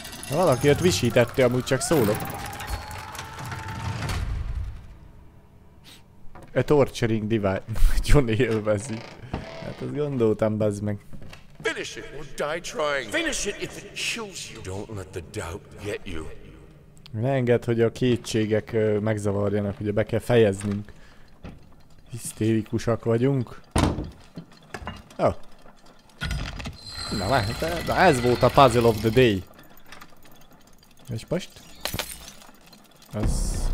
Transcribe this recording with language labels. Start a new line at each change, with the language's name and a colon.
Hungarian: Valaki ott visítette, amúgy csak szólok.
English: A torturing device.
Hungarian: Johnny élvezi. Hát azt gondoltam, bazd meg.
English: Finish it or die trying. Finish it if it kills you. Don't let the doubt get you.
Hungarian: Ne engedd, hogy a kétségek megzavarjanak, ugye be kell fejeznünk. Hisztérikusak vagyunk. Oh. Na, de ez volt a
English: puzzle of the day.
Hungarian: És most? Ez...